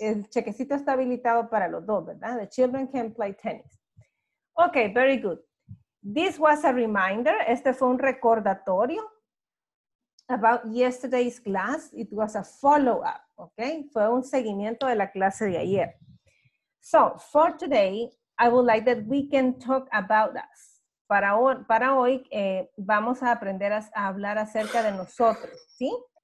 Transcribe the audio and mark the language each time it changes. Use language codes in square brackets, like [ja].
[es] Porque el chequecito está habilitado para los dos, ¿verdad? [en] The children can play tennis. Okay, very good. This was a reminder. [es] Este fue un recordatorio [en] about yesterday's class. It was a follow-up, okay? [es] Fue un seguimiento de la clase de ayer. [en] So, for today, I would like that we can talk about us. [es] Para hoy vamos a aprender a hablar acerca de nosotros, ¿sí?